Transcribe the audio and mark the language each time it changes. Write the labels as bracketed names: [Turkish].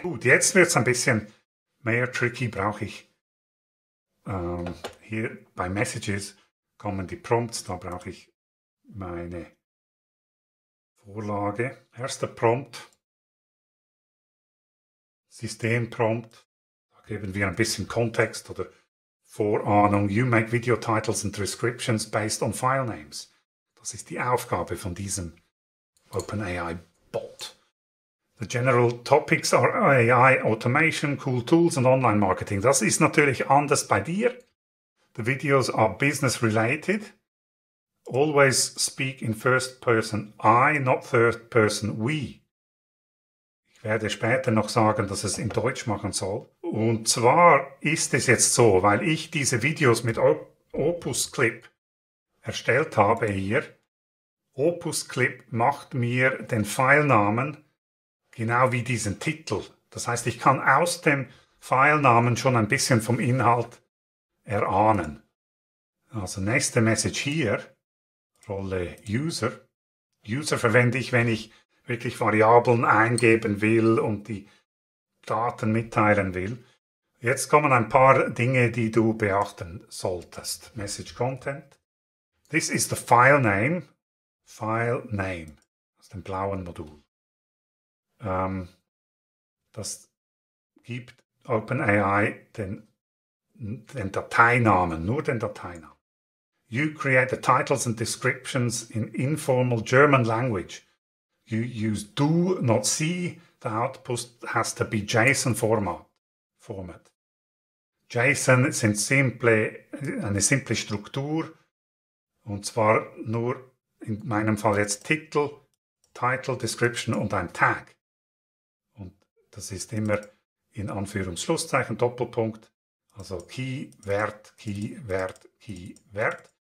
[German] Gut, jetzt wird es ein bisschen mehr tricky. Brauche ich hier bei Messages kommen die Prompts. Da brauche ich meine Vorlage. Erster Prompt. System Prompt. Geben wir ein bisschen Kontext oder Vorahnung. [English] You make video titles and descriptions based on file names. [German] Das ist die Aufgabe von diesem OpenAI-Bot. [English] The general topics are AI, automation, cool tools and online marketing. [German] Das ist natürlich anders bei dir. [English] The videos are business related. Always speak in first person I, not third person we. [German] Ich werde später noch sagen, dass es in Deutsch machen soll. Und zwar ist es jetzt so, weil ich diese Videos mit Opus Clip erstellt habe hier. Opus Clip macht mir den Filenamen genau wie diesen Titel. Das heißt, ich kann aus dem Filenamen schon ein bisschen vom Inhalt erahnen. Also nächste Message hier. Rolle User. User verwende ich, wenn ich wirklich Variablen eingeben will und die Daten mitteilen will. Jetzt kommen ein paar Dinge, die du beachten solltest. [English] Message Content. This is the file name. [German] File name. Aus dem blauen Modul. Das gibt OpenAI den Dateinamen, nur den Dateinamen. [English] You create the titles and descriptions in informal German language. You use do, not see. The output has to be JSON format. [German] JSON sind eine simple Struktur, und zwar nur in meinem Fall jetzt Titel, Title, Description und ein Tag. Und das ist immer in Anführungsschlusszeichen, Doppelpunkt, also Key, Wert, Key, Wert, Key, Wert.